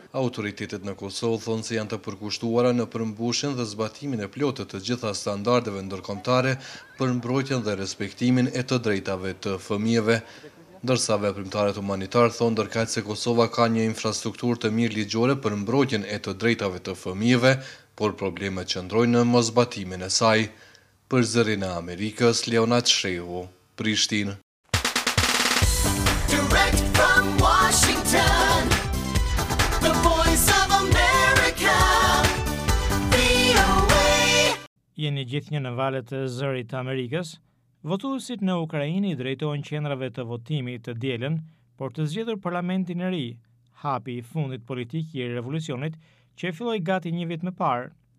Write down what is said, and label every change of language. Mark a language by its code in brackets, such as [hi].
[sq] Autoritetet në Kosovë thonë se janë të përkushtuara në përmbushin dhe zbatimin e plotët të gjitha standardeve ndërkombëtare për mbrojtjen dhe respektimin e të drejtave të fëmijëve. Ndërsa veprimtarët humanitar thonë ndërkaq se Kosova ka një infrastrukturë të mirë ligjore për mbrojtjen e të drejtave të fëmijëve, por problemet qëndrojnë në mosbatimin e saj. Për Zërin e Amerikës, Leonard Shehu, Prishtinë. [en] Direct from Washington, the voice of America, VOA. [sq] Jeni gjithnjë në valet e Zërit të Amerikës. Votuesit në Ukrainë i drejtohen qendrave të votimit të dielën për të zgjedhur parlamentin e ri, hapi i fundit politik i revolucionit që filloi gati një vit më parë.